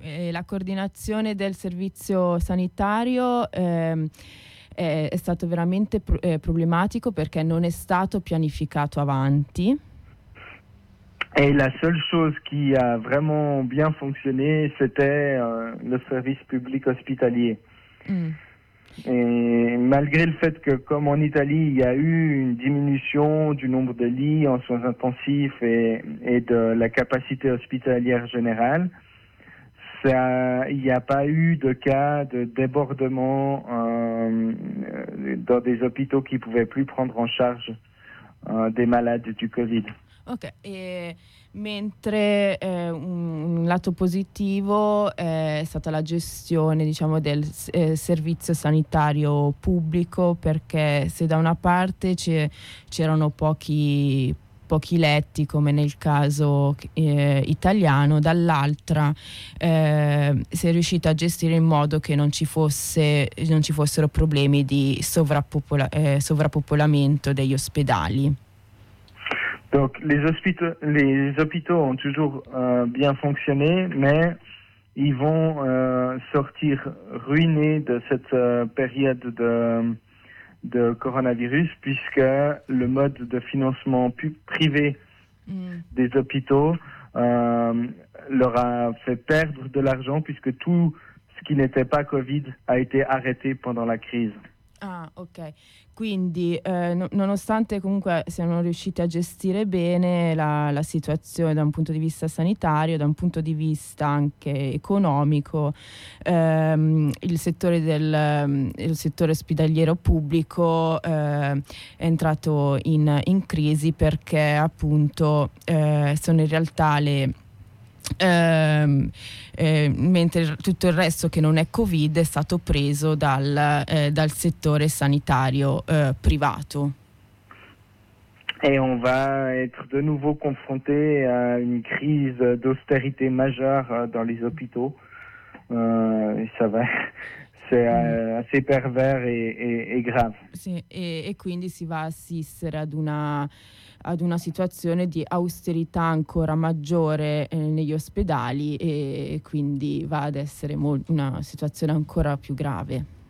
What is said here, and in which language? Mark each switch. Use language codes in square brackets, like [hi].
[it] La coordinazione del servizio sanitario è stato veramente problematico, perché non è stato pianificato avanti. [fr] E la seule chose qui a vraiment bien fonctionné, c'était le service public hospitalier. Et malgré le fait que, comme en Italie, il y a eu une diminution du nombre de lits en soins intensifs et de la capacité hospitalière générale, il n'y a pas eu de cas de débordement dans des hôpitaux qui ne pouvaient plus prendre en charge des malades du Covid. [it] Ok, e mentre un lato positivo è stata la gestione, diciamo, del servizio sanitario pubblico, perché se da una parte c'erano pochi letti come nel caso italiano, dall'altra si è riuscito a gestire in modo che non ci fossero problemi di sovrappopolamento degli ospedali. [fr] Donc les hôpitaux ont toujours bien fonctionné, mais ils vont sortir ruinés de cette période de coronavirus, puisque le mode de financement privé des hôpitaux leur a fait perdre de l'argent, puisque tout ce qui n'était pas Covid a été arrêté pendant la crise. Ah, ok. [it] Quindi, nonostante comunque siano riusciti a gestire bene la situazione da un punto di vista sanitario, da un punto di vista anche economico, il settore ospedaliero pubblico è entrato in crisi perché appunto sono in realtà le... mentre tutto il resto che non è Covid è stato preso dal settore sanitario privato. [fr] Et on va être de nouveau confronté à une crise d'austérité majeure dans les hôpitaux. Ça va. C'est assez pervers et grave. [it] Sì, e quindi si va a assistere ad una situazione di austerità ancora maggiore negli ospedali e quindi va ad essere una situazione ancora più grave.